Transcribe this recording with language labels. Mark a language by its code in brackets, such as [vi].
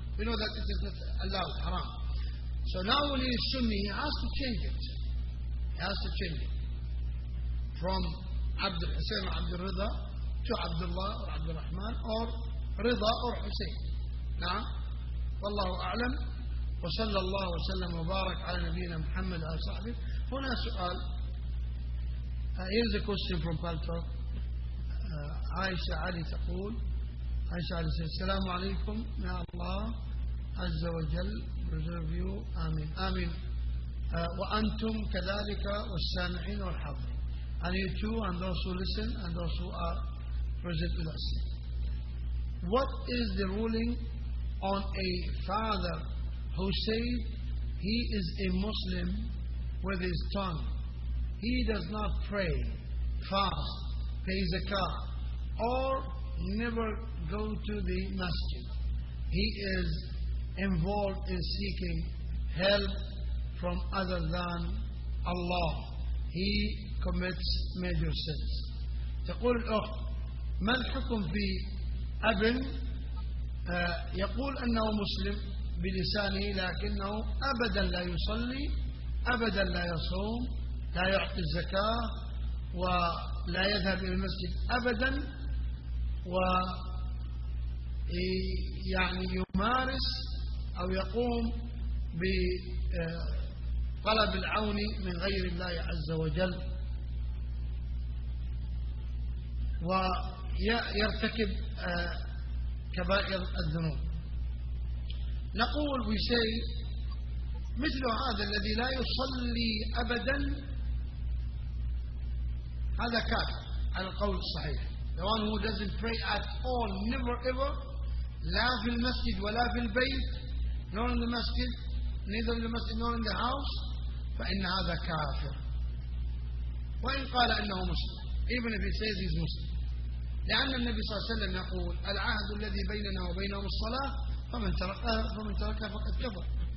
[en] We know that it is not allowed, haram. So now when he is Sunni, he has to change it. He has to change it from Abdul Hussein or Abdul Rida to Abdullah or Abdul Rahman or Rida or Hussein. [ar] Naam? والله أعلم, وصلى الله وسلم وبارك على نبينا محمد وعلى صحبه. هنا سؤال, [en] here's a question from Paltrow. [ar] عائشة علي تقول, [en] عائشة علي says, [ar] السلام عليكم, [en] may [ar] الله عز وجل [en] preserve you, [ar] آمين آمين, وأنتم كذلك والسامعين والحاضرين, [en] and you too and those who listen and those who are present with us. What is the ruling on a father who said he is a Muslim with his tongue, he does not pray, fast, pay zakah, or never go to the masjid, he is involved in seeking help from other than Allah, he commits major sins. [ar] تقول الأخت ما الحكم في ابن يقول أنه مسلم بلسانه لكنه أبدا لا يصلي, أبدا لا يصوم, لا يعطي الزكاة, ولا يذهب إلى المسجد أبدا, ويعني يمارس أو يقوم بطلب العون من غير الله عز وجل, ويرتكب كبائر الذنوب. نقول بشيء مثل هذا الذي لا يصلي أبدا هذا كافر, القول الصحيح. [en] The one who doesn't pray at all, never ever, [ar] لا في المسجد ولا في البيت, [en] nor in the masjid, neither in the masjid, nor in the house, [ar] فإن هذا كافر. وإن قال أنه مسلم, [en] even if he says he's Muslim. [ar] لأن النبي صلى الله عليه وسلم يقول العهد الذي بيننا وبينهم الصلاة, فمن تركها فقد كفر.